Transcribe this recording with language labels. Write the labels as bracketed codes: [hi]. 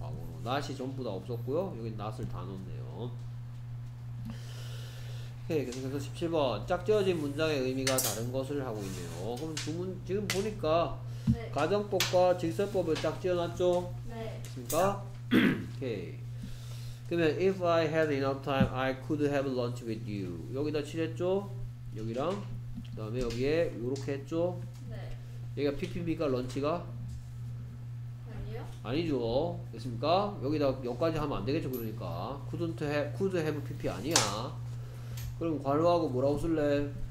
[ko] 과거로 not이 전부 다 없었고요. 여기 not을 다 넣었네요. 오케이, 계속해서 17번 짝지어진 문장의 의미가 다른 것을 하고 있네요. 그럼 주문 지금 보니까 네. 가정법과 직설법을 짝지어놨죠. 네. 그렇습니까? 오케이. 그러면 [en] if I had enough time, I could have lunch with you. [ko] 여기다 칠했죠? 여기랑 그 다음에 여기에 요렇게 했죠? 네. 여기가 PP입니까? 런치가? 아니요. 아니죠. 됐습니까? 여기다 여기까지 하면 안 되겠죠, 그러니까. [en] couldn't have, could have PP [ko] 아니야. 그럼 괄호하고 뭐라고 쓸래?